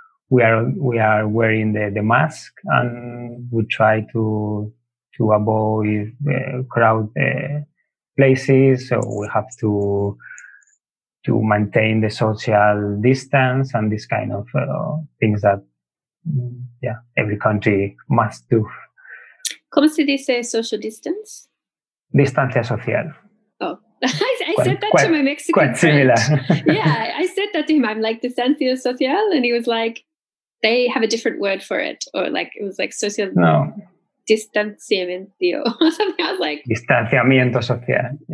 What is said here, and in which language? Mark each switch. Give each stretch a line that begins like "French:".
English: We are wearing the mask and we try to avoid crowd places. So we have to maintain the social distance and this kind of things that yeah, every country must do.
Spanish: ¿Cómo se dice
English: social distance?
Spanish: Distancia social.
English: I said that to my Mexican friend. Quite similar. Yeah, I said that to him. I'm like,
Spanish: distancia social?
English: And he was like, they have a different word for it. Or like, it was like social... No. Distanciamiento. Something. I was like...
Spanish: Distanciamiento social, yeah.